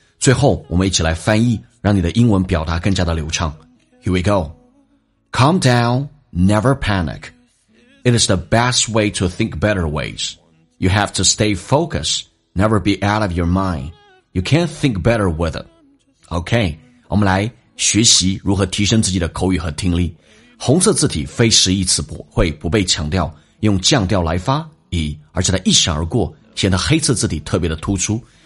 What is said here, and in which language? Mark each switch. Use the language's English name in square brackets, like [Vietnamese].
[Chinese] 最后，我们一起来翻译，让你的英文表达更加的流畅。 [English] Here we go. Calm down, never panic. It is the best way to think better ways. You have to stay focused, never be out of your mind. You can't think better with it. Okay, [Chinese] 我们来。学习如何提升自己的口语和听力。红色字体非实意词不会不被强调，用降调来发以，而且它一闪而过，显得黑色字体特别的突出。